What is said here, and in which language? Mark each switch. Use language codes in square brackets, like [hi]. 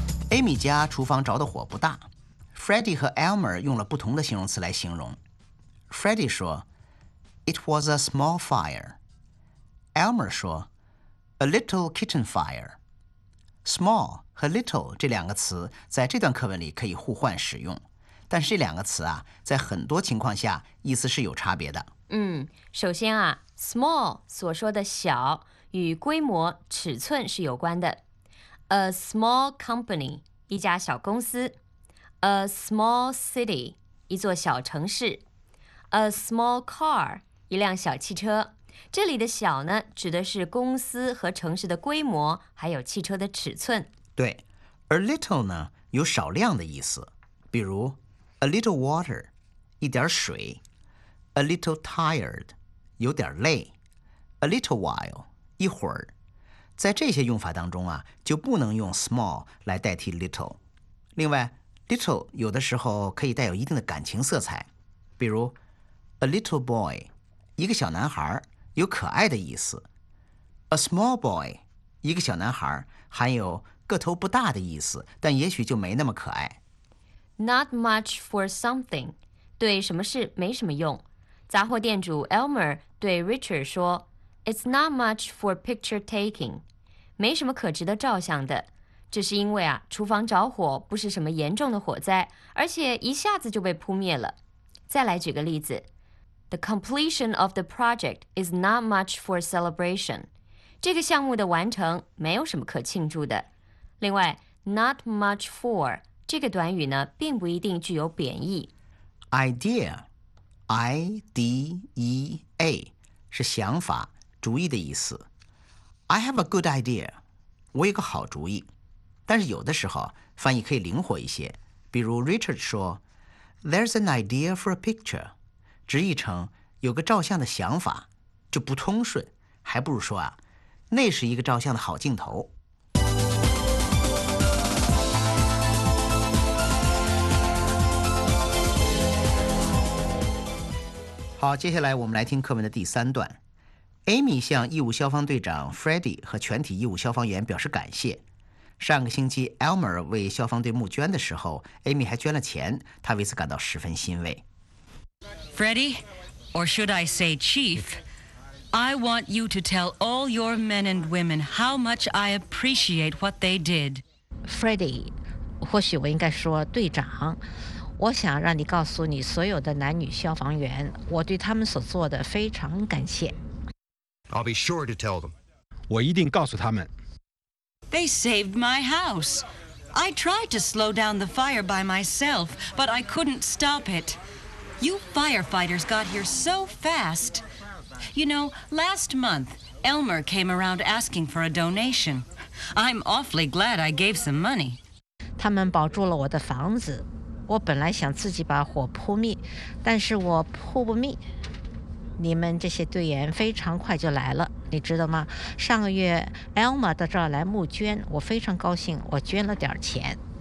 [zh] Amy 家厨房着的火不大。Freddy 和 Elmer 用了不同的形容词来形容。 [en] Freddy [zh] 说 [en] ,It was a small fire. Elmer [zh] 说 [en] ,A little kitten fire. [zh] Small 和 little 这两个词在这段课文里可以互换使用。但是这两个词啊在很多情况下意思是有差别的。首先啊 ,small 所说的小与规模尺寸是有关的。 [en] A small company, [zh] 一家小公司。 [en] A small city, [zh] 一座小城市。 [en] A small car, [zh] 一辆小汽车。这里的小呢指的是公司和城市的规模还有汽车的尺寸。对。而 little 呢有少量的意思。比如 , [en] a little water, [zh] 一点水。 [en] A little tired, [zh] 有点累。 [en] A little while, [zh] 一会儿。在这些用法当中啊就不能用 small 来代替 little。另外 ,little 有的时候可以带有一定的感情色彩。比如 , [en] a little boy, [zh] 一个小男孩有可爱的意思。 [en] A small boy, [zh] 一个小男孩含有个头不大的意思但也许就没那么可爱。 [en] Not much for something, [zh] 对什么事没什么用。杂货店主 Elmer 对 Richard 说 [en] It's not much for picture taking. [zh] 没什么可值得照相的。这是因为啊厨房着火不是什么严重的火灾而且一下子就被扑灭了。再来举个例子。 [en] The completion of the project is not much for celebration. [zh] 这个项目的完成没有什么可庆祝的。另外 , [en] not much for, [zh] 这个短语呢并不一定具有贬义。 Idea, I-D-E-A, 是想法。主意的意思 [en] I have a good idea [zh] 我有个好主意但是有的时候翻译可以灵活一些比如 Richard 说 [en] There's an idea for a picture [zh] 直译成有个照相的想法就不通顺还不如说啊那是一个照相的好镜头好接下来我们来听课文的第三段Amy 向义务消防队长 Freddy 和全体义务消防员表示感谢。上个星期 Elmer 为消防队募捐的时候 ,Amy 还捐了钱她为此感到十分欣慰。 [en] Freddy, or should I say Chief, I want you to tell all your men and women how much I appreciate what they did. [zh] Freddy, 或许我应该说队长。我想让你告诉你所有的男女消防员我对他们所做的非常感谢。 [en] I'll be sure to tell them. [zh] 我一定告诉他们。 [en] They saved my house. I tried to slow down the fire by myself, but I couldn't stop it. You firefighters got here so fast. You know, last month, Elmer came around asking for a donation. I'm awfully glad I gave some money. [zh] 他们保住了我的房子。我本来想自己把火扑灭，但是我扑不灭。你们这些队员非常快就来了你知道吗上个月 Elmer 到这儿来募捐我非常高兴我捐了点钱